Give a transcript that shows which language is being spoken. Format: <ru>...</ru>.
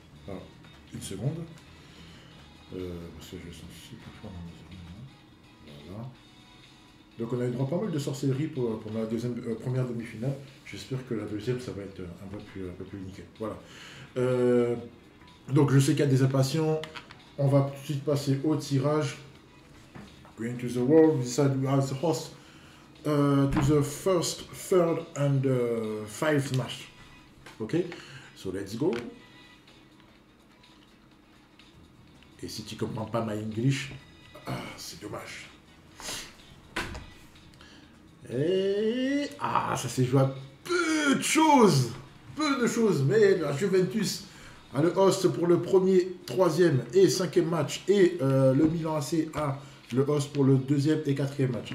<fr>Alors, une seconde. Voilà. Donc on a eu droit à pas mal de sorcellerie pour la première demi-finale. J'espère que la deuxième, ça va être un peu plus nickel. Voilà. Donc je sais qu'il y a des impatients. On va tout de suite passer au tirage.</fr> <en>Green to the world, we said we are the host to the first, third and fifth match. Ok, so let's go.</en> <fr>Et si tu comprends pas ma English, c'est dommage. Et ça s'est joué à peu de choses, mais la Juventus a le host pour le premier, troisième et cinquième match, et le Milan AC a le host pour le deuxième et quatrième match.</fr>